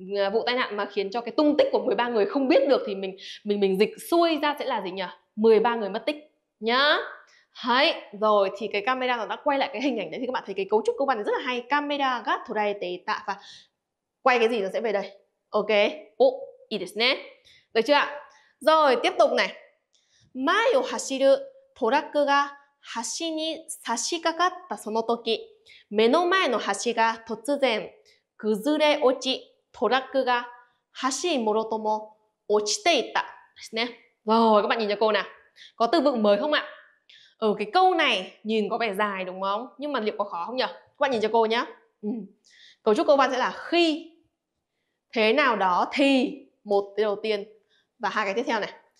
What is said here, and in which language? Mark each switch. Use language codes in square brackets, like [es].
[vi] Vụ tai nạn mà khiến cho cái tung tích của 13 người không biết được thì mình dịch xuôi ra sẽ là gì nhỉ? 13 người mất tích nhá. Hay rồi, thì cái camera nó đã quay lại cái hình ảnh đấy, thì các bạn thấy cái cấu trúc câu văn rất là hay. [ja] Camera ga torarete ita [vi] và quay cái gì nó sẽ về đây. Ok. Ồ, [ja] いい ですね. [vi] Được chưa ạ? Rồi, tiếp tục này. [ja] Mai o hashiru toraku ga 橋に差し掛かったその時、目の前の橋が突然崩れ落ち、トラックが橋もろとも落ちていた。ですね。 [vi] Rồi, các bạn nhìn cho cô nào. Có từ vựng mới không ạ? Ở cái câu này nhìn có vẻ dài đúng không? Nhưng mà liệu có khó không nhỉ? Các bạn nhìn cho cô nhé. Cấu trúc câu văn sẽ là khi, thế nào đó thì, một cái đầu tiên và hai cái tiếp theo này.